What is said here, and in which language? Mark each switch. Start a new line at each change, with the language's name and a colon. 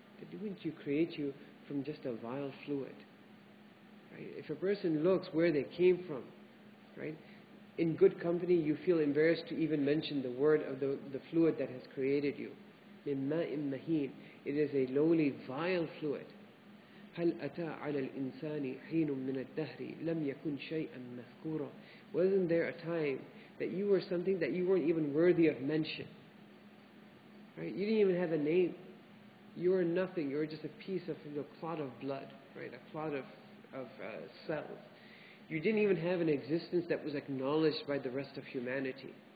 English: Didn't you create you from just a vile fluid? Right? If a person looks where they came from, right? In good company, you feel embarrassed to even mention the word of the fluid that has created you.
Arabic: مِنْ مَاءٍ مَهِينٍ.
English: It is a lowly, vile fluid.
Arabic: هل أتى على الإنسان حين من الدهر لم يكن شيئا مذكورا.
English: Wasn't there a time that you were something that you weren't even worthy of mention? Right? You didn't even have a name. You were nothing. You were just a piece of a clot of blood, right? A clot of cells. You didn't even have an existence that was acknowledged by the rest of humanity.